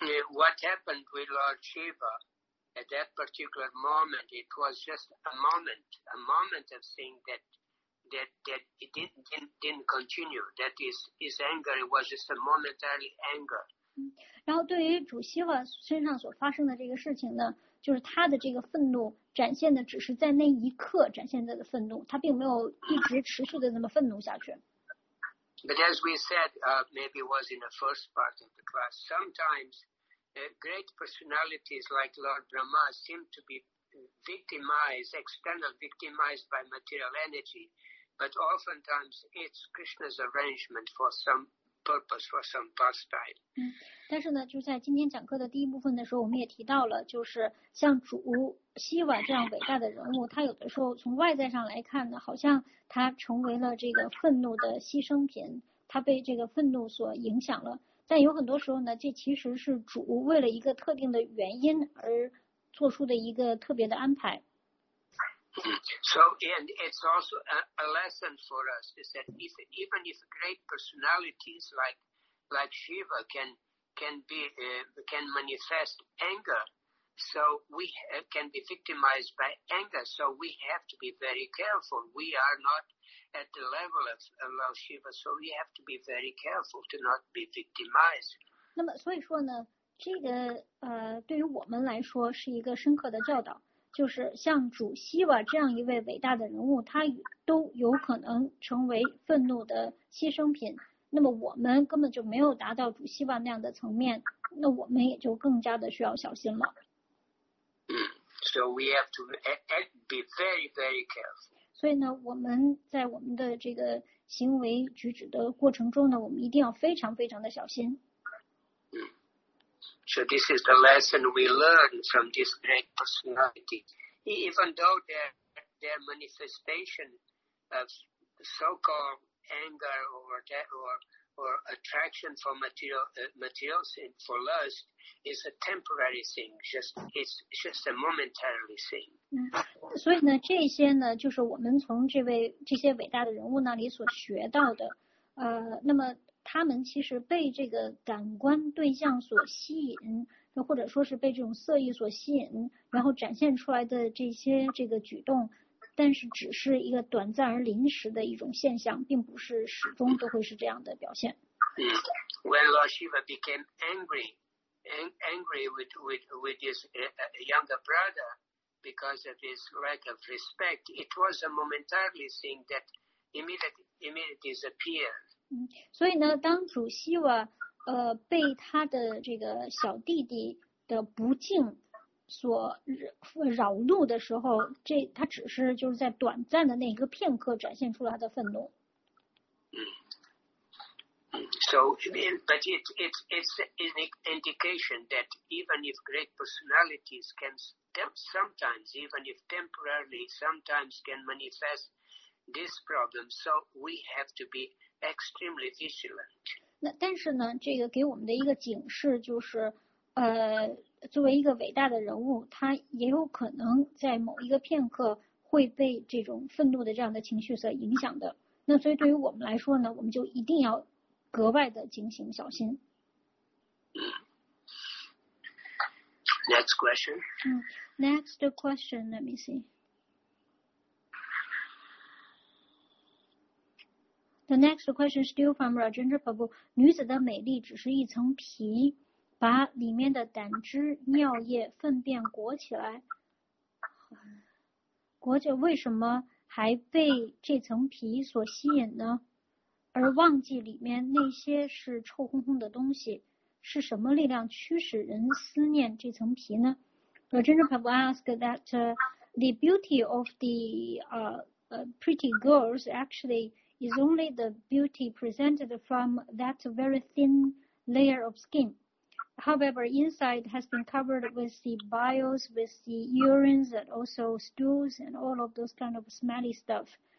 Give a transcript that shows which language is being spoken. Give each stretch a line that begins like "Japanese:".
English: What happened with Lord Shiva at that particular moment, it was just a moment of seeing that it didn't continue. That is, his anger, it was just a momentary anger.
Chinese: 然后对于主希瓦身上所发生的这个事情呢，就是他的这个愤怒展现的只是在那一刻展现的愤怒，他并没有一直持续的那么愤怒下去。
English: But as we said, maybe it was in the first part of the class, sometimes great personalities like Lord Brahma seem to be victimized, externally victimized by material energy, but oftentimes it's Krishna's arrangement for some purpose, for some pastime.
Chinese: 但是呢，就在今天讲课的第一部分的时候，我们也提到了，就是像主希瓦这样伟大的人物，他有的时候从外在上来看呢，好像他成为了这个愤怒的牺牲品，他被这个愤怒所影响了。但有很多时候呢，这其实是主为了一个特定的原因而做出的一个特别的安排。
English: So, and it's also a lesson for us, is that even if great personalities like Shiva can manifest anger, so we can be victimized by anger, so we have to be very careful. We are not at the level of Lord Shiva, so we have to be very careful to not be victimized.
Chinese: 那么所以说呢，这个对于我们来说是一个深刻的教导。就是像主希瓦这样一位伟大的人物，他都有可能成为愤怒的牺牲品。那么我们根本就没有达到主希瓦那样的层面，那我们也就更加的需要小心了。
English: So we have to be very, very careful.
Chinese: 所以呢，我们在我们的这个行为举止的过程中呢，我们一定要非常非常的小心。
English: So this is the lesson we learn from this great personality. Even though their manifestation of so-called anger or attraction for material sin, for lust, is a temporary thing. It's just a momentary thing.
Chinese: 所以呢，这些呢，就是我们从这些伟大的人物那里所学到的。那么。他们其实被这个感官对象所吸引，或者说是被这种色欲所吸引，然后展现出来的这些这个举动，但是只是一个短暂而临时的一种现象，并不是始终都会是这样的表现。
English: When Lord Shiva became angry with his younger brother because of his lack of respect, it was a momentarily thing that immediately disappeared.
Chinese: 所以呢，当主希瓦被他的这个小弟弟的不敬所扰怒的时候，这他只是就是在短暂的那一个片刻展现出了他的愤怒。
English: So, but it's an indication that even if great personalities can sometimes, even if temporarily, sometimes can manifest this problem, so we have to be. Extremely vigilant.
Chinese: 那但是呢，这个给我们的一个警示就是，作为一个伟大的人物，他也有可能在某一个片刻会被这种愤怒的这样的情绪所影响的。那所以对于我们来说呢，我们就一定要格外的警醒小心。
English: Next question. Next question. Let me see. The next question still from Rajendra Prabhu.
Chinese: 女子的美丽只是一层皮，把里面的胆汁、尿液、粪便裹起来，裹着为什么还被这层皮所吸引呢？而忘记里面那些是臭烘烘的东西，是什么力量驱使人思念这层皮呢？
English: Rajendra Prabhu asked that the beauty of the pretty girls actually. Is only the beauty presented from that very thin layer of skin. However, inside has been covered with the bios, with the urines, and also stools, and all of those kind of smelly stuff.